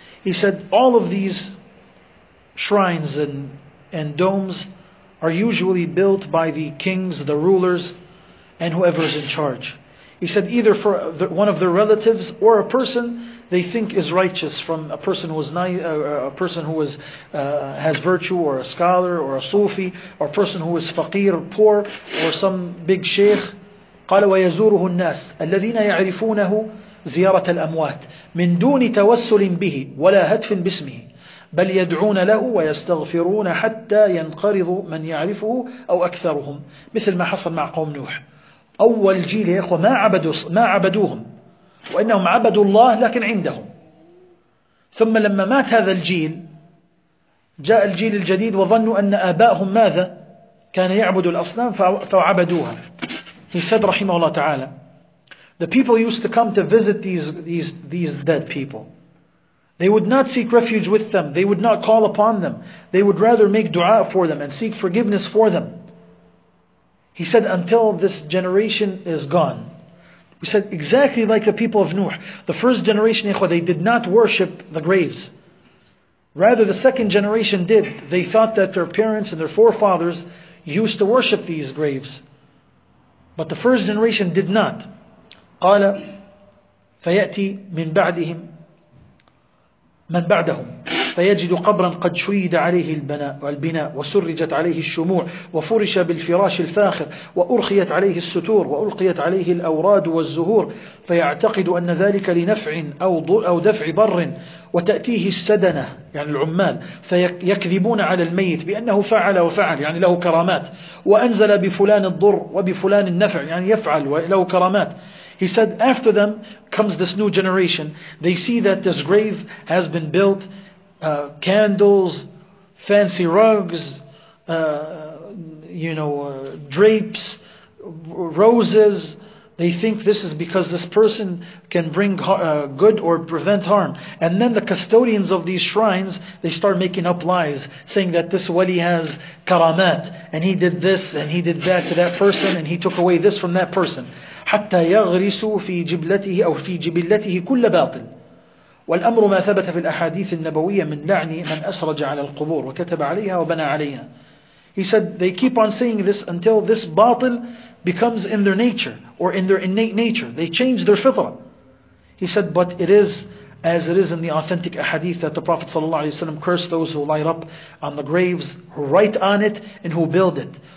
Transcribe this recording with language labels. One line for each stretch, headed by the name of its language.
English: He said all of these shrines and domes are usually built by the kings, the rulers, and whoever is in charge. He said either for one of their relatives or a person they think is righteous, from a person who is has virtue, or a scholar, or a sufi, or a person who is faqir, poor, or some big sheikh.
Arabic: قال ويزوره الناس الذين يعرفونه زيارة الأموات من دون توسل به ولا هتف باسمه بل يدعون له ويستغفرون حتى ينقرض من يعرفه أو أكثرهم، مثل ما حصل مع قوم نوح. أول جيل يا إخوة ما عبدوهم وإنهم عبدوا الله لكن عندهم، ثم لما مات هذا الجيل جاء الجيل الجديد وظنوا أن آباءهم ماذا كان يعبد الأصنام فعبدوها.
English: He said, rahimahullah ta'ala, the people used to come to visit these dead people. They would not seek refuge with them. They would not call upon them. They would rather make dua for them and seek forgiveness for them. He said, until this generation is gone. He said, exactly like the people of Nuh. The first generation, ikhwah, they did not worship the graves. Rather, the second generation did. They thought that their parents and their forefathers used to worship these graves. But the first generation did not.
Arabic: قال فيأتي من بعدهم من بعدهم فيجد قبرا قد شيد عليه البناء وسرجت عليه الشموع وفرش بالفراش الفاخر وأرخيت عليه الستور وألقيت عليه الأوراد والزهور فيعتقد أن ذلك لنفع أو دفع بر وتأتيه السدنة يعني العمال فيكذبون على الميت بأنه فعل وفعل يعني له كرامات وأنزل بفلان الضر وبفلان النفع يعني يفعل وله كرامات.
English: He said after them comes this new generation. They see that this grave has been built, candles, fancy rugs, drapes, roses. They think this is because this person can bring good or prevent harm. And then the custodians of these shrines, they start making up lies, saying that this wali has karamat, and he did this and he did that to that person, and he took away this from that person.
Arabic: حتى يغرسوا في جبلته أو في جبلته كل باطل. والأمر ما ثبت في الأحاديث النبوية من لعن من أسرج على القبور وكتب عليها وبنى عليها.
English: He said they keep on saying this until this باطل becomes in their nature or in their innate nature. They change their fitrah. He said, but it is as it is in the authentic ahadith that the Prophet ﷺ cursed those who light up on the graves, who write on it, and who build it.